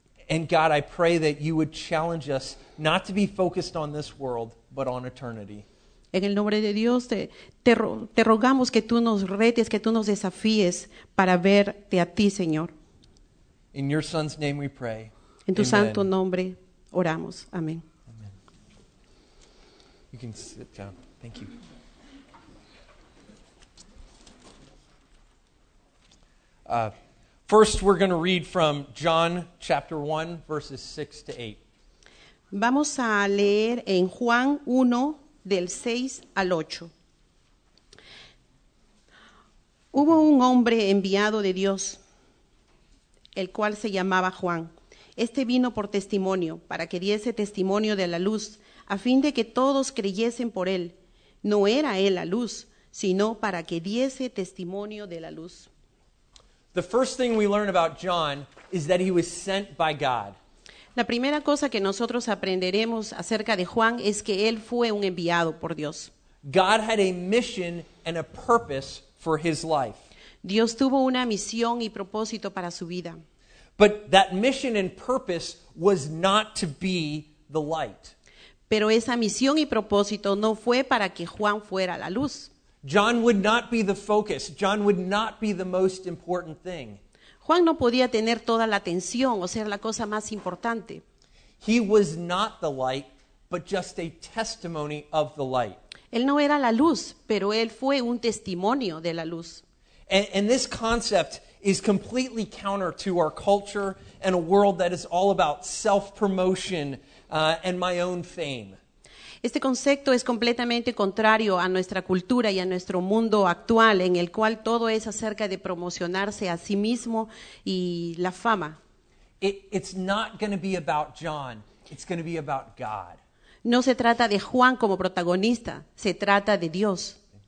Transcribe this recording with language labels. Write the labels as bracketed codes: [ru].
[en] And God, I pray that you would challenge us not to be focused on this world, but on eternity. [es] En el nombre de Dios, te rogamos que tú nos retes, que tú nos desafíes para verte a ti, Señor. [en] In your son's name we pray. [es] En tu Amen. Santo nombre oramos. Amén. [en] Amen. You can sit down. Thank you. First, we're going to read from John chapter 1, verses 6 to 8. [es] Vamos a leer en Juan 1, del 6 al 8. Hubo un hombre enviado de Dios, el cual se llamaba Juan. Este vino por testimonio, para que diese testimonio de la luz, a fin de que todos creyesen por él. No era él la luz, sino para que diese testimonio de la luz. [en] The first thing we learn about John is that he was sent by God. [es] La primera cosa que nosotros aprenderemos acerca de Juan es que él fue un enviado por Dios. [en] God had a mission and a purpose for his life. [es] Dios tuvo una misión y propósito para su vida. [en] But that mission and purpose was not to be the light. [es] Pero esa misión y propósito no fue para que Juan fuera la luz. [en] John would not be the focus. John would not be the most important thing. [es] Juan no podía tener toda la atención o ser la cosa más importante. [en] He was not the light, but just a testimony of the light. [es] Él no era la luz, pero él fue un testimonio de la luz. [en] And this concept is completely counter to our culture and a world that is all about self-promotion and my own fame. [es] Este concepto es completamente contrario a nuestra cultura y a nuestro mundo actual, en el cual todo es acerca de promocionarse a sí mismo y la fama. [en] It's not going to be about John. It's going to be about God. [es] No se trata de Juan como protagonista. Se trata de Dios.